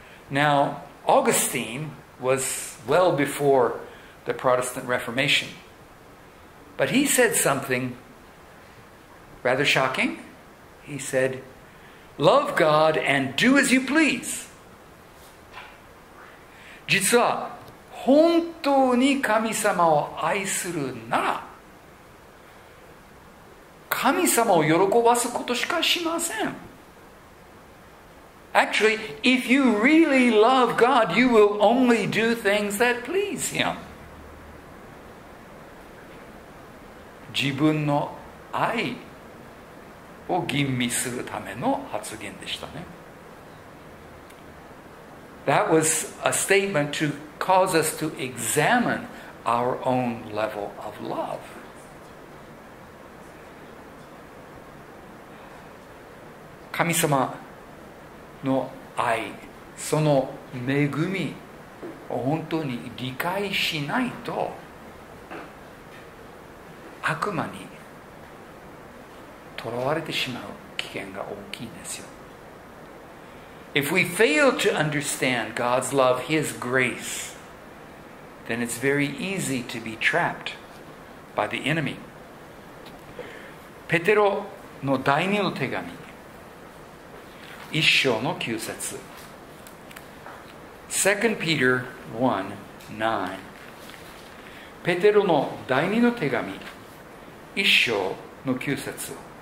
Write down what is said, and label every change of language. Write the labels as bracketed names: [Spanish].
[English] Now, Augustine was well before the Protestant Reformation, but he said something rather shocking. He said, "Love God and do as you please." [Japanese] 実は本当に神様を愛するなら、神様を喜ばすことしかしません。 [English] Actually, if you really love God, you will only do things that please Him. [Japanese] 自分の愛を吟味するための発言でしたね。 [English] That was a statement to cause us to examine our own level of love. [Japanese] 神様の愛、その恵みを本当に理解しないと悪魔に囚われてしまう危険が大きいんですよ。 [English] If we fail to understand God's love, His grace, then it's very easy to be trapped by the enemy. [Japanese] ペテロの第二の手紙一章の九節。 [English] 2 Peter 1:9。 [Japanese] ペテロの第二の手紙一章の九節。